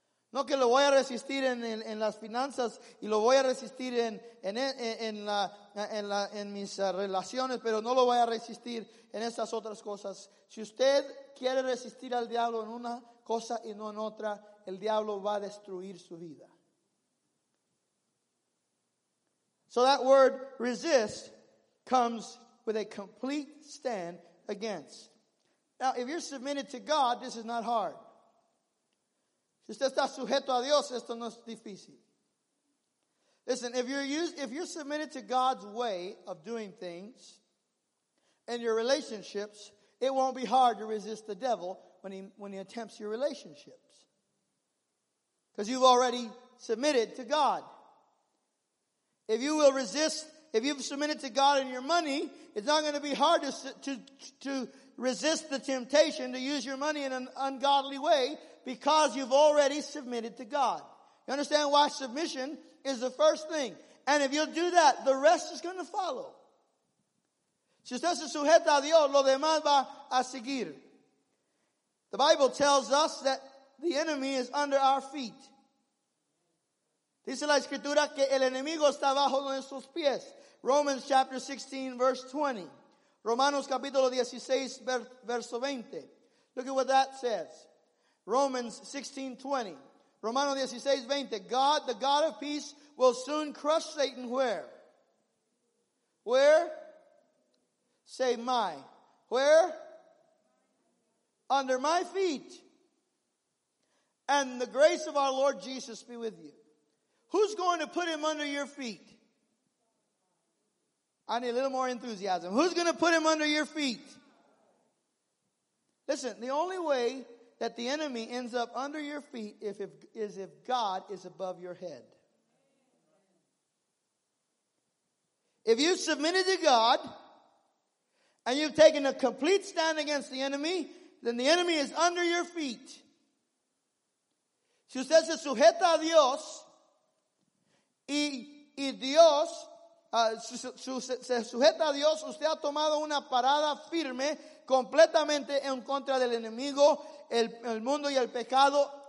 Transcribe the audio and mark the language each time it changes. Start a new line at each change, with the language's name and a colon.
Spanish: No que lo voy a resistir en las finanzas y lo voy a resistir en mis relaciones, pero no lo voy a resistir en esas otras cosas. Si usted quiere resistir al diablo en una cosa y no en otra, el diablo va a destruir su vida.
English: So that word resist comes with a complete stand against. Now, if you're submitted to God, this is not hard.
Spanish: Si usted está sujeto a Dios, esto no es difícil.
English: Listen, if you're submitted to God's way of doing things and your relationships, it won't be hard to resist the devil when he attempts your relationships. Because you've already submitted to God. If you will resist If you've submitted to God and your money, it's not going to be hard to resist the temptation to use your money in an ungodly way because you've already submitted to God. You understand why submission is the first thing. And if you'll do that, the rest is going to follow.
Spanish: Si usted se sujeta a Dios, lo demás va a seguir.
English: The Bible tells us that the enemy is under our feet.
Spanish: Dice la escritura que el enemigo está bajo nuestros pies.
English: Romans chapter 16, verse 20.
Spanish: Romanos capítulo 16, verso 20.
English: Look at what that says. Romans 16, 20. Romanos 16, 20. God, the God of peace, will soon crush Satan where? Where? Say my. Where? Under my feet. And the grace of our Lord Jesus be with you. Who's going to put him under your feet? I need a little more enthusiasm. Who's going to put him under your feet? Listen, the only way that the enemy ends up under your feet is if God is above your head. If you submitted to God and you've taken a complete stand against the enemy, then the enemy is under your feet.
Spanish: Si usted se sujeta a Dios, se sujeta a Dios, usted ha tomado una parada firme completamente en contra del enemigo, el mundo y el pecado.